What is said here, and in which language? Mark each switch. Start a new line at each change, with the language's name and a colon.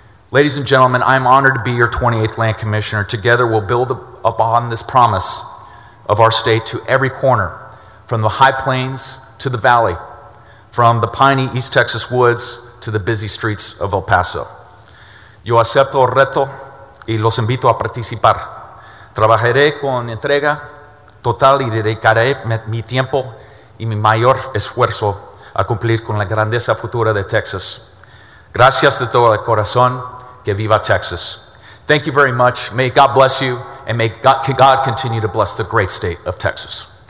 English: Ladies and gentlemen, I am honored to be your 28th Land Commissioner. Together, we'll build upon this promise of our state to every corner, from the high plains to the valley, from the piney East Texas woods to the busy streets of El Paso.
Spanish: Yo acepto el reto y los invito a participar. Trabajaré con entrega total y dedicaré mi tiempo y mi mayor esfuerzo a cumplir con la grandeza futura de Texas. Gracias de todo el corazón. Que viva Texas.
English: Thank you very much. May God bless you, and may God continue to bless the great state of Texas.